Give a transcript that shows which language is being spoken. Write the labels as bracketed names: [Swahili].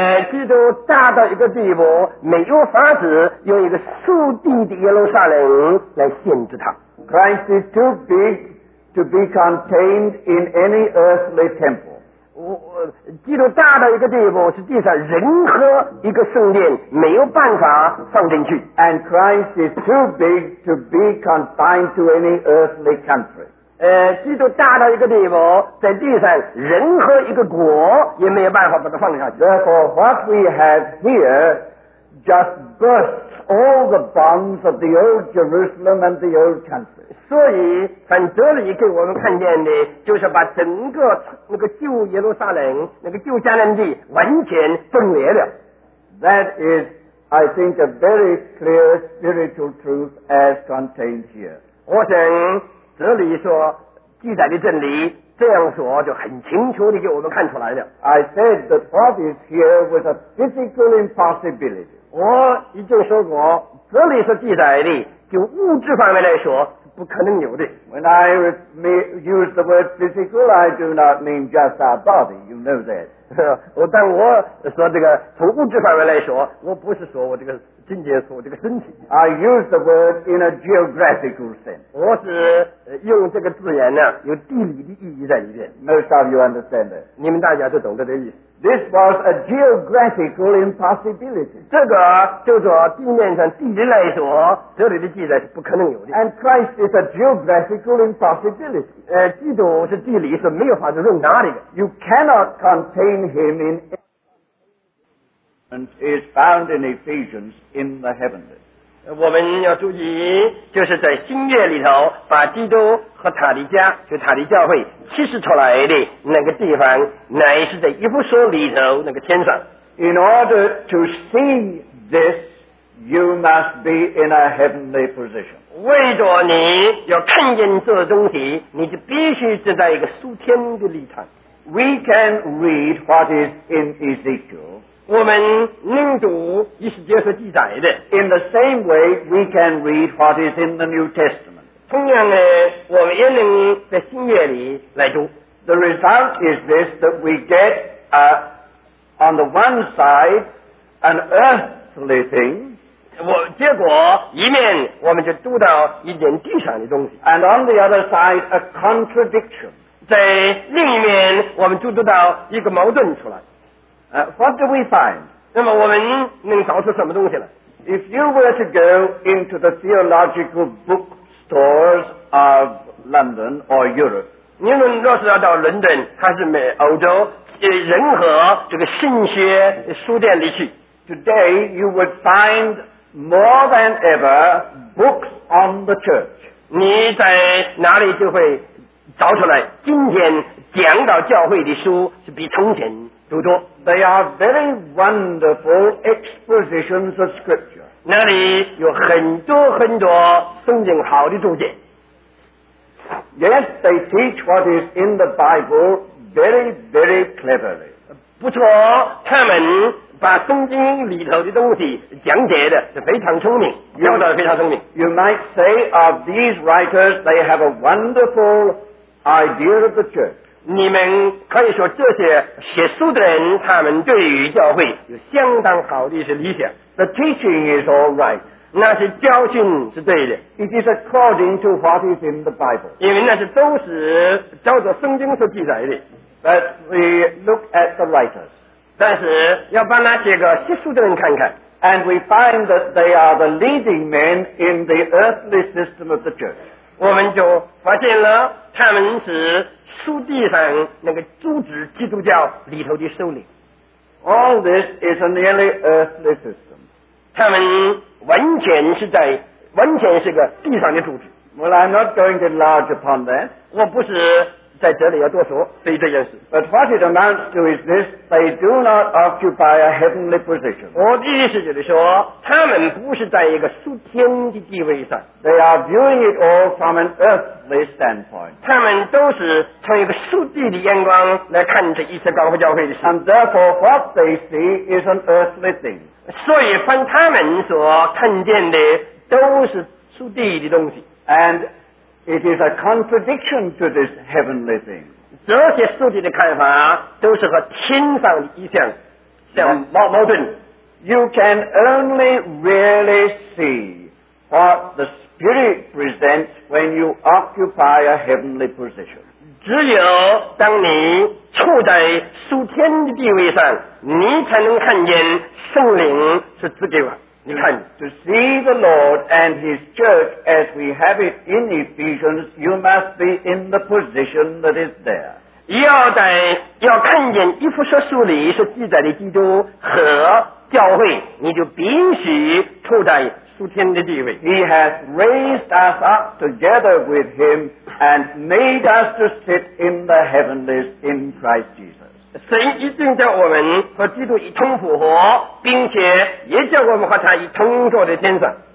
[Chinese] 基督大到一个地步没有法子用一个属地的耶路撒冷来限制他 [English] Christ is too big to be contained in any earthly temple [Chinese] 基督大到一个地步，实际上任何一个圣殿没有办法放进去。 [English] And Christ is too big to be confined to any earthly country. [Chinese] 基督大到一个地步，在地上任何一个国也没有办法把它放上去。 [English] Therefore, what we have here just bursts all the bonds of the old Jerusalem and the old country. [Chinese] 所以从这里给我们看见的就是把整个那个旧耶路撒冷那个旧迦南地完全分裂了。 [English] That is, I think, a very clear spiritual truth as contained here. [Chinese] 我想这里所记载的真理这样说就很清楚地给我们看出来了。 [English] I said that what is here was a physical impossibility. [Chinese] 我已经说过这里所记载的就物质方面来说不可能有的。 [English] When I use the word physical, I do not mean just our body. You know that. [Chinese] 但我说这个从物质方面来说，我不是说我这个境界，说我这个身体。 [English] I use the word in a geographical sense. [Chinese] 我是用这个字眼呢，有地理的意义在里面。 [English] Most of you understand that. [Chinese] 你们大家都懂得这意思。 [English] This was a geographical impossibility. [Chinese] 这个就说地面上地理来说，这里的记载是不可能有的。 [English] And Christ is a geographical impossibility. [Chinese] 基督是地理是没有法子容纳的。 [English] You cannot contain him in. And is found in Ephesians in the heavenly. [Chinese] 我们要注意，就是在新约里头把基督和他的家，就他的教会启示出来的那个地方，乃是在以弗所里头那个天上。 [English] In order to see this, you must be in a heavenly position. [Chinese] 为着你要看见这东西，你就必须是在一个属天的立场。 [English] We can read what is in Ezekiel. [Chinese] 我们能读以西结和记载的。 [English] In the same way, we can read what is in the New Testament. [Chinese] 同样的，我们也能在新约里来读。 [English] The result is this, that we get, on the one side, an earthly thing. [Chinese] 结果一面我们就读到一点地上的东西。 [English] And on the other side, a contradiction. [Chinese] 在另一面我们就读到一个矛盾出来。 [English] What do we find? [Chinese] 那么我们能找出什么东西来？ [English] If you were to go into the theological bookstores of London or Europe, [Chinese] 你们若是要到伦敦还是美欧洲任何这个神学书店里去， [English] today you would find more than ever books on the church. [Chinese] 你在哪里就会找出来今天讲到教会的书是比从前读多。 [English] They are very wonderful expositions of scripture. [Chinese] 那里有很多很多圣经好的注解。 [English] Yes, they teach what is in the Bible very, very cleverly. [Chinese] 不错，他们把圣经里头的东西讲解的是非常聪明，表达的非常聪明。 [English] You might say of these writers, they have a wonderful idea of the church. [Chinese] 你们可以说这些写书的人他们对于教会有相当好的一些理想。 [English] The teaching is all right. [Chinese] 那些教训是对的。 [English] It is according to what is in the Bible. [Chinese] 因为那些都是照着圣经所记载的。 [English] But we look at the writers. [Chinese] 但是要把那些个写书的人看看。 [English] And we find that they are the leading men in the earthly system of the church. [Chinese] 我们就发现了他们是书地上那个组织基督教里头的首领。 [English] All this is a nearly earthly system. [Chinese] 他们完全是在完全是个地上的组织。 [English] Well, I'm not going to enlarge upon that. [Chinese] 我不是在这里要多说对这件事。 [English] But what it amounts to is this, they do not occupy a heavenly position. [Chinese] 我的意思就是说他们不是在一个属天的地位上。 [English] They are viewing it all from an earthly standpoint. [Chinese] 他们都是从一个属地的眼光来看这一次高峰教会的事。 [English] And therefore what they see is an earthly thing. [Chinese] 所以凡他们所看见的都是属地的东西。 [English] And it is a contradiction to this heavenly thing. [Chinese] 这些书籍的看法都是和天上的意象相矛盾。 [English] You can only really see what the Spirit presents when you occupy a heavenly position. [Chinese] 只有当你处在属天的地位上，你才能看见圣灵是赐给我。你看 [English] ，to see the Lord and His Church as we have it in Ephesians, you must be in the position that is there. [Chinese] 要看见以弗所书里是记载的基督和教会，你就必须处在属天的地位。 [English] He has raised us up together with Him and made us to sit in the heavenlies in Christ Jesus. [Chinese] 神一定叫我们和基督一同复活，并且也叫我们和他一同坐在天上。